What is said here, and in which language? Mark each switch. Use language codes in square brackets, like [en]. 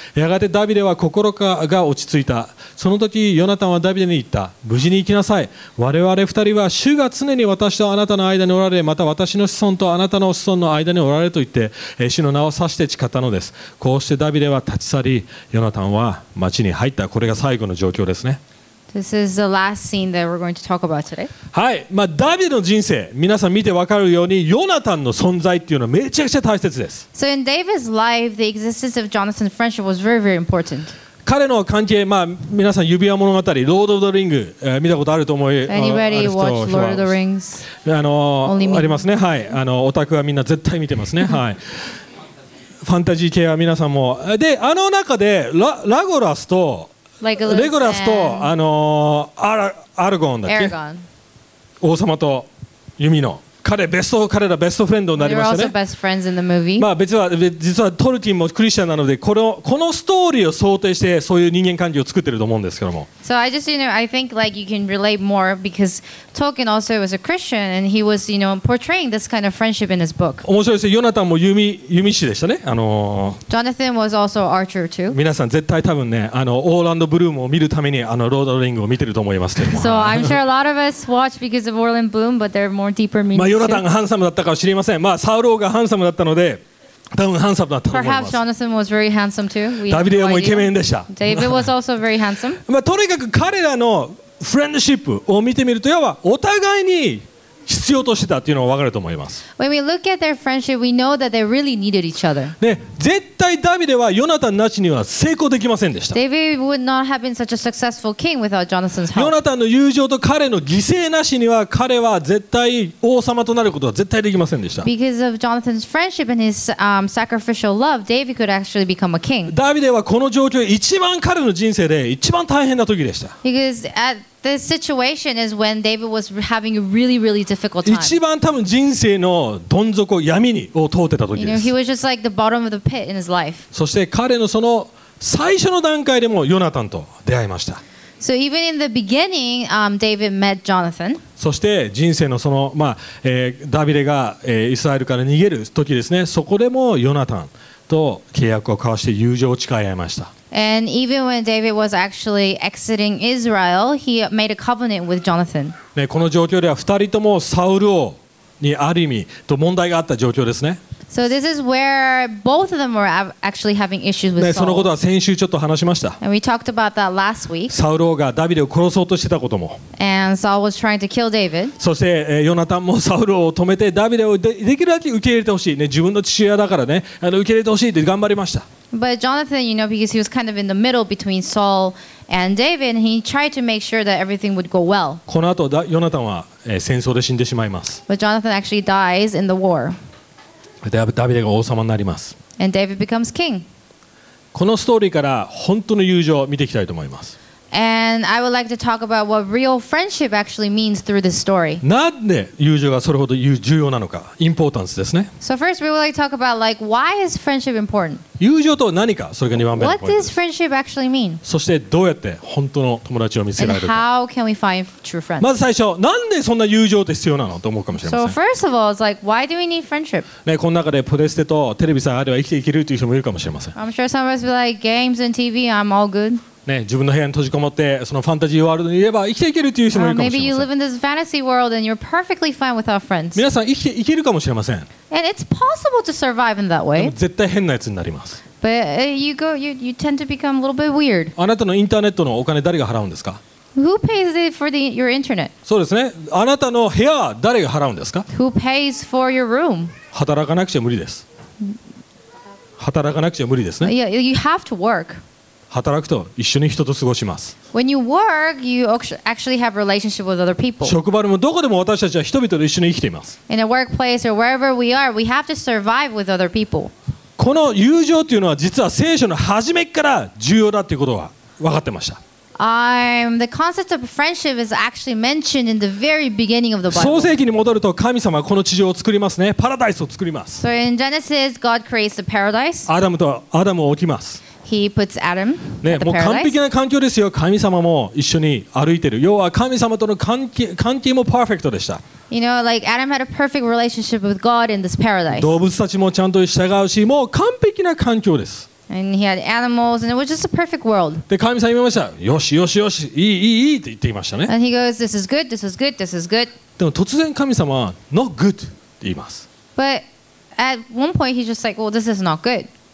[ja] やがてダビデは心が落ち着いた。その時ヨナタンはダビデに言った。無事に行きなさい。我々2人は主が常に私とあなたの間におられ、また私の子孫とあなたの子孫の間におられと言って主の名を指して誓ったのです。こうしてダビデは立ち去り、ヨナタンは町に入った。これが最後の状況ですね。 [en] This is the last scene that we're going to talk about today. [ja] はい、まあ、ダビデの人生、皆さん見て分かるようにヨナタンの存在っていうのはめちゃくちゃ大切です。 [en] So in David's life, the existence of Jonathan's friendship was very, very important. [ja] 彼の関係、まあ、皆さん指輪物語、ロード・オブ・ザ・リング、見たことあると思います。 [en] Anybody watch Lord of the Rings? [ja] ありますね、はい、オタクはみんな絶対見てますね、はい。ファンタジー系は皆さんも、で、あの中で ラゴラスとレゴラスと、アルゴンだっけ、王様と弓の彼らベストフレンドになりましたね。まあ、実はトルキンもクリスチャンなので、このストーリーを想定してそういう人間関係を作ってると思うんですけども。 [en] So I just, you know, I think like you can relate more because Tolkien also was a Christian and he was, you know, portraying this kind of friendship in his book. [ja] 面白いですね。ヨナタンも弓師でしたね。 [en] Jonathan was also archer too. [ja] 皆さん絶対多分ね、オーランドブルームを見るためにロード・オブ・ザ・リングを見てると思いますけども。 [en] So I'm sure a lot of us watch because of Orland Bloom, but there are more deeper meaning. [ja] まあ、ヨナタンがハンサムだったかは知りません。まあ、サウル王がハンサムだったので。多分ハンサムだったと思います。 [en] Perhaps Jonathan was very handsome too. [ja] ダビデもイケメンでした。 [en] David was also very handsome. [ja] まあ、とにかく彼らのフレンドシップを見てみると、要はお互いに必要としてたっていうのが分かると思います。 [en] When we look at their friendship, we know that they really needed each other. [ja] で、絶対ダビデはヨナタンなしには成功できませんでした。 [en] David would not have been such a successful king without Jonathan's help. [ja] ヨナタンの友情と彼の犠牲なしには彼は絶対王様となることは絶対できませんでした。 [en] Because of Jonathan's friendship and his sacrificial love, David could actually become a king. [ja] ダビデはこの状況一番彼の人生で一番大変な時でした。 [en] Because at the situation is when David was having a really, really difficult time. [ja] 一番多分人生のどん底、闇にを通ってた時です。 [en] You know, he was just like the bottom of the pit in his life. [ja] そして彼のその最初の段階でもヨナタンと出会いました。 [en] So even in the beginning, David met Jonathan. [ja] そして人生のその、まあダビデが、イスラエルから逃げる時ですね。そこでもヨナタンと契約を交わして友情を誓い合いました。 [en] And even when David was actually exiting Israel, he made a covenant with Jonathan. [ja] ね、この状況では二人ともサウル王にある意味と問題があった状況ですね。 [en] So this is where both of them were actually having issues with Saul. [ja] ね、そのことは先週ちょっと話しました。 [en] And we talked about that last week. [ja] サウル王がダビデを殺そうとしてたことも。 [en] And Saul was trying to kill David. [ja] そしてヨナタンもサウル王を止めてダビデを できるだけ受け入れてほしい、ね、自分の父親だからね、受け入れてほしいって頑張りました。 [en] But Jonathan, you know, because he was kind of in the middle between Saul and David, he tried to make sure that everything would go well. [ja] この後、ヨナタンは戦争で死んでしまいます。 [en] But Jonathan actually dies in the war. [ja] ダビデが王様になります。 [en] And David becomes king. [ja] このストーリーから本当の友情を見ていきたいと思います。 [en] And I would like to talk about what real friendship actually means through this story. [ja] なんで友情がそれほど重要なのか、インポータンスですね。 [en] So first, we would like to talk about like why is friendship important? [ja] 友情とは何か、それが2番目のポイントです。 [en] What does friendship actually mean? [ja] そしてどうやって本当の友達を見つけられるか。 [en] And how can we find true friends? [ja] まず最初、なんでそんな友情って必要なのと思うかもしれません。 [en] So first of all, it's like why do we need friendship? [ja] ね、この中でプレステとテレビさえあれば生きていけるという人もいるかもしれません。 [en] I'm sure some of us will be like games and TV. I'm all good. [ja] ね、自分の部屋に閉じこもってそのファンタジーワールドにいれば生きていけるという人もいるかもしれません。 [en] Maybe you live in this fantasy world and you're perfectly fine with our friends. [ja] 皆さん生きていけるかもしれません。 [en] And it's possible to survive in that way. [ja] でも絶対変なやつになります。 [en] But you tend to become a little bit weird. [ja] あなたのインターネットのお金誰が払うんですか？ [en] Who pays for your internet? [ja] そうですね、あなたの部屋誰が払うんですか？ [en] Who pays for your room? [ja] 働かなくちゃ無理です。働かなくちゃ無理ですね。 [en] Yeah, you have to work. [ja] 働くと一緒に人と過ごします。 [en] When you work, you actually have a relationship with other people. [ja] 職場でもどこでも私たちは人々と一緒に生きています。 [en] In a workplace or wherever we are, we have to survive with other people. [ja] この友情というのは実は聖書の初めから重要だということは分かってました。 [en] The concept of friendship is actually mentioned in the very beginning of the Bible. [ja] 創世記に戻ると神様はこの地上を作りますね。パラダイスを作ります。 [en] So in Genesis, God creates the paradise. [ja] アダムとアダムを置きます。 [en] He puts Adam at the paradise. [ja] ね、もう完璧な環境ですよ。神様も一緒に歩いてる。要は神様との関係もパーフェクトでした。 [en] You know, like Adam had a perfect relationship with God in this paradise. [ja] 動物たちもちゃんと従うし、もう完璧な環境です。 [en] And he had animals, and it was just a perfect world. [ja] で、神様言いました。よしよしよし、いいいいいいって言っていましたね。 [en] And he goes, this is good, this is good, this is good. [ja] でも突然神様は [en] not good [ja] って言います。 [en] But at one point he's just like, well, this is not good.